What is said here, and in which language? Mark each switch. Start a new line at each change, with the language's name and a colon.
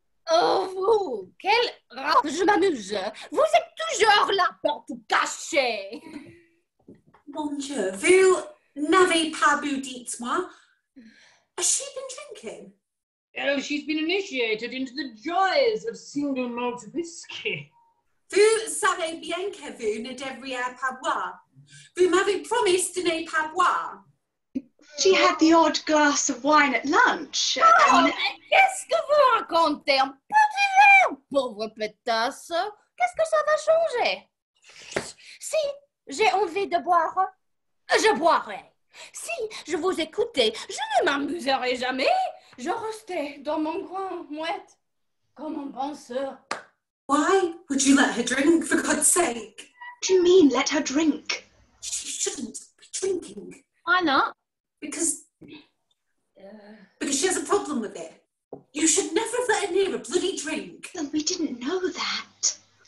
French: Oh, vous, quel rap, je m'amuse. Vous êtes toujours là pour tout cacher. Mon Dieu, vous n'avez pas bu, dites-moi.
English: Has she been drinking? Oh, she's been initiated into the joys of single malt whisky.
French: Vous savez bien que vous ne devriez pas boire. Vous m'avez promis de ne pas boire.
English: She had the odd glass of wine at lunch.
French: Oh, mais qu'est-ce que vous racontez? Un petit verre, pauvre pétasse. Qu'est-ce que ça va changer? Si j'ai envie de boire, je boirai. Si je vous écoutais, je ne m'amuserai jamais. Je restais dans mon coin, mouette, comme un penseur.
English: Why would you let her drink, for God's sake? What do you mean, let her drink? She shouldn't be drinking. Why not? Because... Because she has a problem with it. You should never have let her near a bloody drink. Well, we didn't know that.